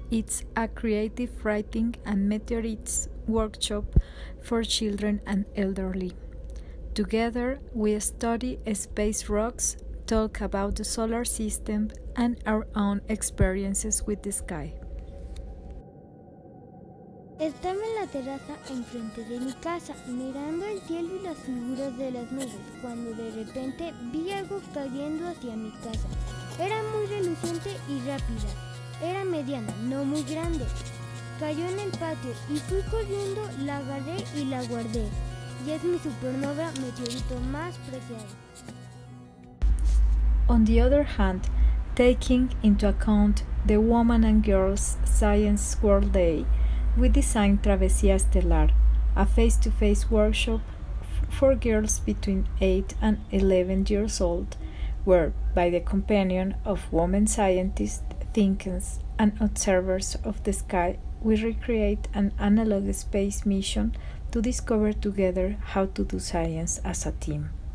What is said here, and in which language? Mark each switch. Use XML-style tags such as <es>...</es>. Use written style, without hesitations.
<en>It's a creative writing and meteorites workshop for children and elderly. Together, we study space rocks, talk about the solar system and our own experiences with the sky.</en> <es>Estaba en la terraza enfrente de mi casa, mirando el cielo y las figuras de las nubes, cuando de repente vi algo cayendo hacia mi casa. Era muy reluciente y rápida. Era mediana, no muy grande. Cayó en el patio y fui corriendo, la agarré y la guardé. Y es mi supernova meteorito más preciado.</es> <en>On the other hand, taking into account the Women and Girls Science World Day, we designed Travesía Estelar, a face-to-face workshop for girls between 8 and 11 years old, where, by the companion of women scientists, thinkers, and observers of the sky, we recreate an analog space mission to discover together how to do science as a team.</en>